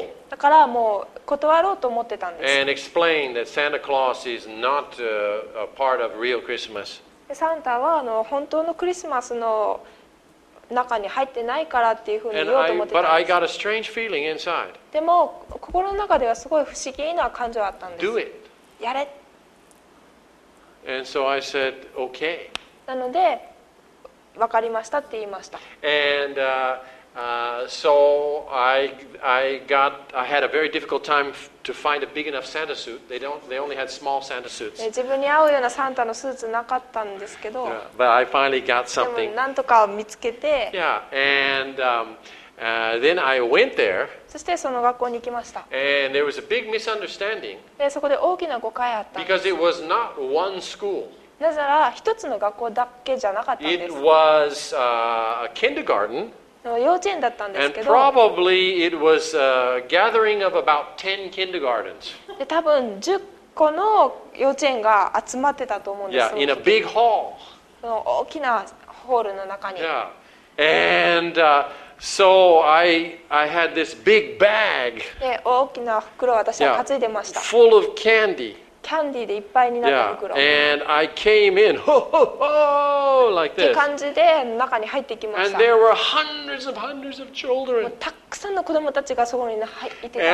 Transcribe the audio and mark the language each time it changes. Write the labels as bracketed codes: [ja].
[ja] だからもう断ろうと思ってたんです。 [en] And explain that Santa Claus is not a part of real Christmas. [ja] サンタは本当のクリスマスの中に入ってないからっていうふうに言おうと思ってたんです。 [en] But I got a strange feeling inside. [ja] でも心の中ではすごい不思議な感情あったんです。 [en] Do it. [ja] やれ。 [en] And so I said, okay. [ja] なので分かりましたって言いました。 [en] And so I had a very difficult time to find a big enough Santa suit. They only had small Santa suits. [ja] 自分に合うようなサンタのスーツなかったんですけど。 [en] Yeah, but I finally got something. [ja] でもなんとか見つけて。 [en] Yeah, and then I went there. [ja] そしてその学校に行きました。 [en] And there was a big misunderstanding. [ja] でそこで大きな誤解あったんです。 [en] Because it was not one school. [ja] なぜなら一つの学校だけじゃなかったんです。 [en] It was a kindergarten. [ja] 幼稚園だったんですけど、 [en] And probably it was a gathering of about 10 kindergartens. [ja] で、多分10個の幼稚園が集まってたと思うんです。 [en] Yeah, in a big hall. [ja] その大きなホールの中に。 [en] Yeah. And so I had this big bag. [ja] で、大きな袋を私は担いでました。 [en] Yeah. Full of candy. [ja] キャンディーでいっぱいになった袋。 [en] Yeah. And I came in, ho ho ho, like this. [ja] って感じで中に入ってきました。 [en] And there were hundreds of hundreds of children. [ja] たくさんの子供たちがそこに入ってたんです。